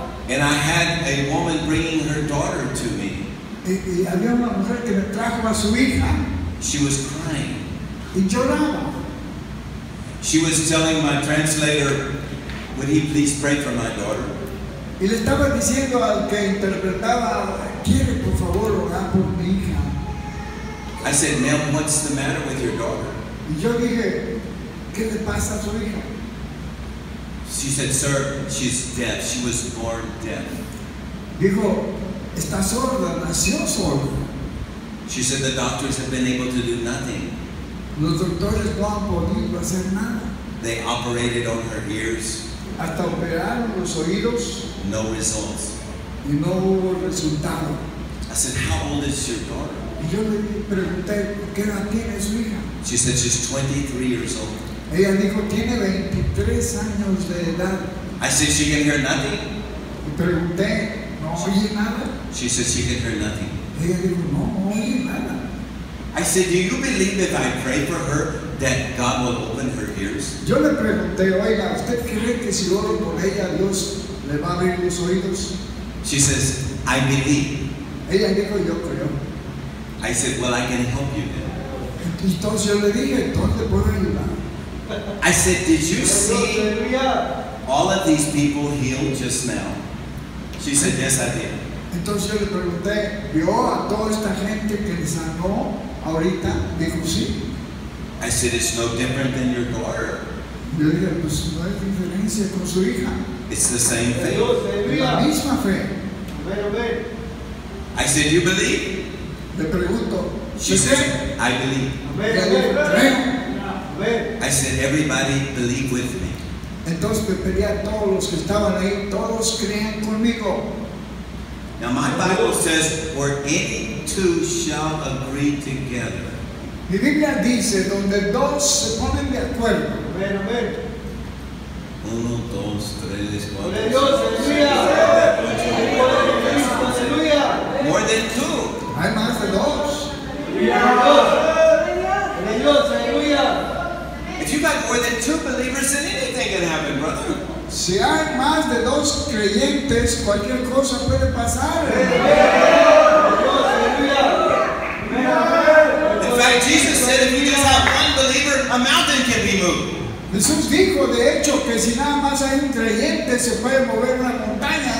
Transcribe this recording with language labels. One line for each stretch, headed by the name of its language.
English: And I had a woman bringing her daughter to me.
Spanish: Y había una mujer que me trajo a su hija.
English: She was crying.
Spanish: Y lloraba.
English: She was telling my translator, would he please pray for my daughter?
Spanish: Y le estaba diciendo al que interpretaba, ¿quiere por favor orar por mi hija?
English: I said, ma'am, what's the matter with your daughter?
Spanish: Y yo dije, ¿qué le pasa a su hija?
English: She said, sir, she's deaf. She was born deaf.
Spanish: Dijo, está sorda, nació sorda.
English: She said, the doctors have been able to do nothing.
Spanish: Los doctores no han podido hacer nada.
English: They operated on her ears.
Spanish: Hasta operaron los oídos.
English: No results.
Spanish: Y no hubo resultado.
English: I said, how old is your daughter?
Spanish: Y yo le pregunté, ¿qué edad tiene su hija?
English: She said, she's 23 years old.
Spanish: Ella dijo, tiene 23 años de edad.
English: I said, she can hear nothing.
Spanish: Y pregunté, ¿no oye nada?
English: She said, she can hear nothing.
Spanish: Ella dijo, no oye nada.
English: I said, do you believe if I pray for her that God will open her ears?
Spanish: Yo le pregunté, oiga, ¿usted cree que si oro por ella, Dios le va a abrir los oídos?
English: She says, I believe.
Spanish: Ella dijo, yo creo.
English: I said, well, I can help you then.
Spanish: Entonces yo le dije, ¿dónde puedo ayudar?
English: I said, did you see all of these people healed just now? She said, yes, I did.
Spanish: Entonces yo le pregunté, ¿vio a toda esta gente que le sanó ahorita? Dijo, sí.
English: I said, it's no different than your daughter.
Spanish: Yo dije, pues no hay diferencia con su hija.
English: It's the same thing.
Spanish: La misma fe.
English: I said, you believe?
Spanish: Le pregunto,
English: she said, I believe. I said, everybody believe with me.
Spanish: Entonces me pedí a todos los que estaban ahí, todos crean conmigo.
English: Now my Bible says, where any two shall agree together.
Spanish: Mi Biblia dice, donde dos se ponen de acuerdo.
English: Amen, amen.
Spanish: Uno, dos, tres, cuatro. Dios, aleluya. Aleluya.
English: More than two.
Spanish: Hay más de dos. Aleluya.
English: If you've got more than two believers, then anything can happen, brother.
Spanish: Si hay más de dos creyentes, cualquier cosa puede pasar.
English: In fact, Jesus said, if you just have one believer, a mountain can be moved.
Spanish: Jesús dijo, de hecho, que si nada más hay un creyente, se puede mover una montaña.